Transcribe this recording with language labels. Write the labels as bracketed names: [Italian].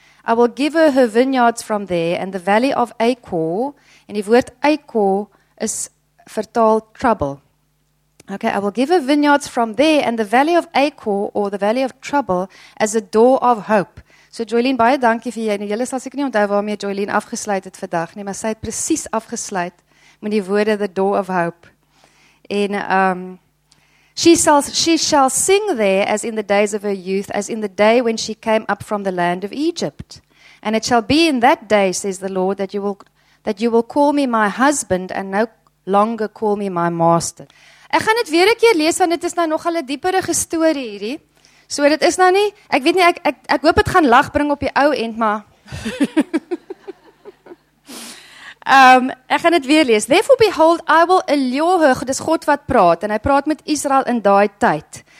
[English] I will give her her vineyards from there and the valley of Achor," [Afrikaans] en die woord Achor is vertaal trouble. [English] Okay, "I will give her vineyards from there and the valley of Achor," or the valley of trouble, "as a door of hope." [Afrikaans] So Joeline, baie dankie vir jy. Nou, julle sal seker nie onthou waarmee Joeline afgesluit het vandag nie, maar sy het presies afgesluit met die woorde [English] "the door of hope." En she shall sing there as in the days of her youth, as in the day when she came up from the land of Egypt. "And it shall be in that day, says the Lord, that you will call me my husband and no longer call me my master." [Afrikaans] Ek gaan dit weer 'n keer lees want dit is nou nogal 'n dieperige storie hierdie. So dit is nou nie, ek weet nie, ek hoop dit gaan lag bring op die ou end, maar ek gaan dit weer lees. [English] "Therefore behold, I will allure her," [Afrikaans] dis God wat praat en hy praat met Israel in daai tyd.